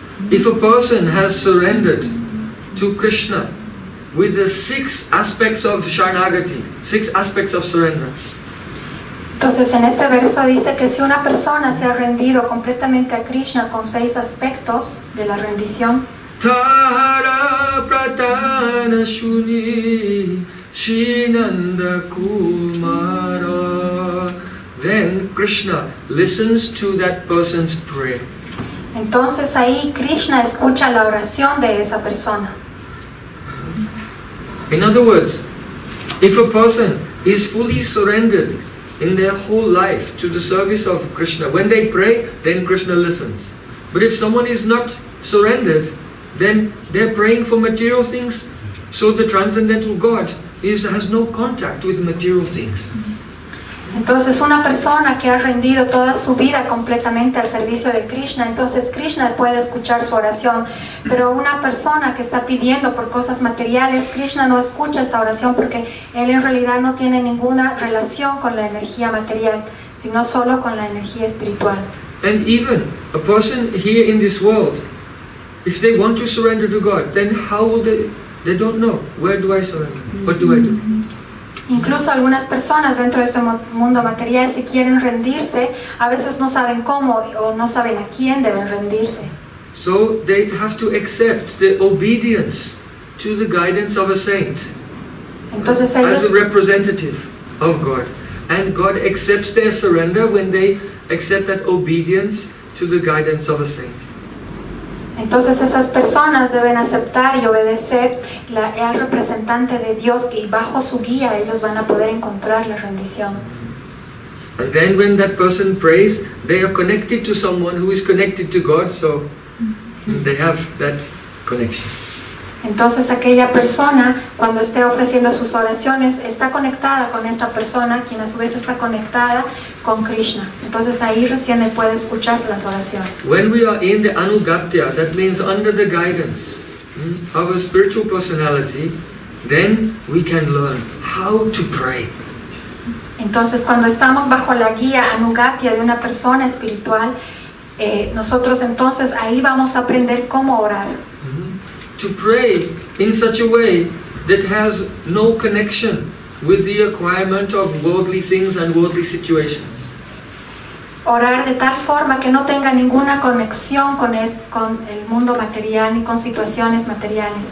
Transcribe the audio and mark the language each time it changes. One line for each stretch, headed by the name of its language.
English: If a person has surrendered to Krishna with the six aspects of sharanagati, six aspects of surrender.
Spanish: Entonces en este verso dice que si una persona se ha rendido completamente a Krishna con seis aspectos de la rendición,
Bangla: Tahara pratana shuni shinanda kumara.
English: Then Krishna listens to that person's prayer.
Spanish: Entonces ahí Krishna escucha la oración de esa persona.
English: In other words, if a person is fully surrendered in their whole life to the service of Krishna, when they pray, then Krishna listens. But if someone is not surrendered, then they're praying for material things, so the transcendental God has no contact with material things.
Spanish: Entonces una persona que ha rendido toda su vida completamente al servicio de Krishna, entonces Krishna puede escuchar su oración, pero una persona que está pidiendo por cosas materiales, Krishna no escucha esta oración porque él en realidad no tiene ninguna relación con la energía material, sino solo con la energía espiritual.
English: And even a person here in this world, if they want to surrender to God, then how will they don't know, where do I surrender, what do I do?
Spanish: Incluso algunas personas dentro de este mundo material, si quieren rendirse, a veces no saben cómo o no saben a quién deben rendirse.
English: So they have to accept the obedience to the guidance of a saint.
Spanish: Entonces ellos,
English: as a representative of God, and God accepts their surrender when they accept that obedience to the guidance of a saint.
Spanish: Entonces esas personas deben aceptar y obedecer al representante de Dios y bajo su guía ellos van a poder encontrar la rendición.
English: And then when that person prays, they are connected to someone who is connected to God, so they have that connection.
Spanish: Entonces aquella persona cuando esté ofreciendo sus oraciones está conectada con esta persona quien a su vez está conectada con Krishna. Entonces ahí recién puede escuchar las oraciones.
English: When we are in the anugatya, that means under the guidance of a spiritual personality, then we can learn how to pray.
Spanish: Entonces cuando estamos bajo la guía anugatya de una persona espiritual, nosotros entonces ahí vamos a aprender cómo orar.
English: To pray in such a way that has no connection with the acquirement of worldly things and worldly situations.
Spanish: Orar de tal forma que no tenga ninguna conexión con el mundo material ni con situaciones materiales.